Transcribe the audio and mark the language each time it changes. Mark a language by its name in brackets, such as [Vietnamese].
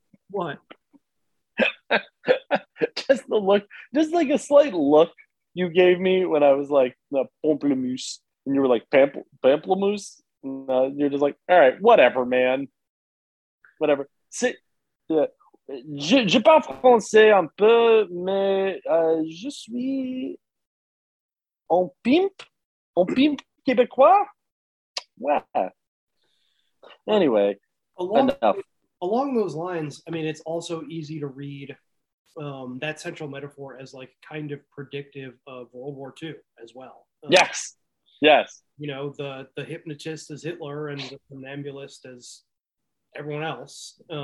[English] What? Just the look, just like a slight look you gave me when I was like the pamplemousse, and you were like pamplemousse, and you're just like, all right, whatever, man, whatever. [French] C'est, je parle français un peu, mais je suis en pimp québécois. [English] Ouais. Anyway. Along those lines, I mean, it's also easy to read that central metaphor as like kind of predictive of World War II as well. Yes, yes. You know, the hypnotist as Hitler and the somnambulist as everyone else.